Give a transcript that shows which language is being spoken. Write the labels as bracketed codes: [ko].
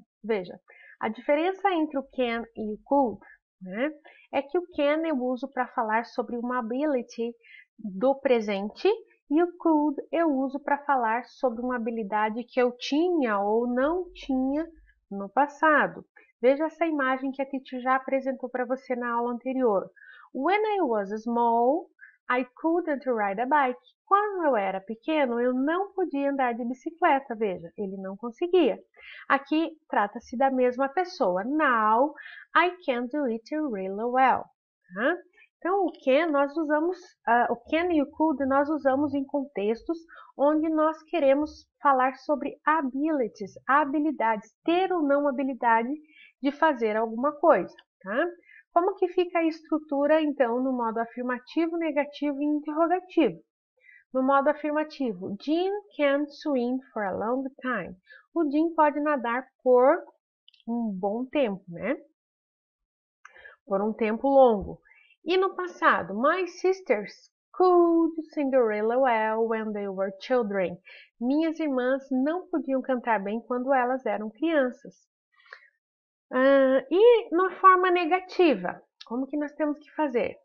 [pt] Veja, a diferença entre o can e o could, né, é que o can eu uso para falar sobre uma ability do presente e o could eu uso para falar sobre uma habilidade que eu tinha ou não tinha no passado. Veja essa imagem que a Titi já apresentou para você na aula anterior. [en] When I was small, I couldn't ride a bike. [pt] Quando eu era pequeno, eu não podia andar de bicicleta. Veja, ele não conseguia. Aqui trata-se da mesma pessoa. [en] Now, I can do it really well. [pt] Então, o can nós usamos, o can e o could nós usamos em contextos onde nós queremos falar sobre abilities, habilidades, ter ou não habilidade de fazer alguma coisa, tá? Como que fica a estrutura, então, no modo afirmativo, negativo e interrogativo? No modo afirmativo, [en] Jim can swim for a long time. [pt] O Jim pode nadar por um bom tempo, né? Por um tempo longo. E no passado, [en] My sisters could sing really well when they were children. [pt] Minhas irmãs não podiam cantar bem quando elas eram crianças. E na forma negativa, como que nós temos que fazer?